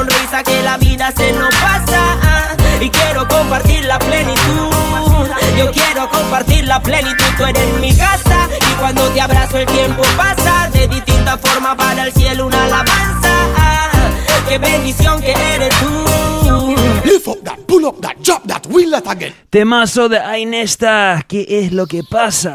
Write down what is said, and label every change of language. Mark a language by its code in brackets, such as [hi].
[es] pasa que la vida se nos pasa y quiero compartir la plenitud. Yo quiero compartir la plenitud, tú eres mi casa y cuando te abrazo el tiempo pasa de distinta forma para el cielo una alabanza. Qué bendición que eres tú. [en] Lift up that, pull up that, drop that, wheel that again. [es] Temazo de Ainesta, ¿qué es lo que pasa?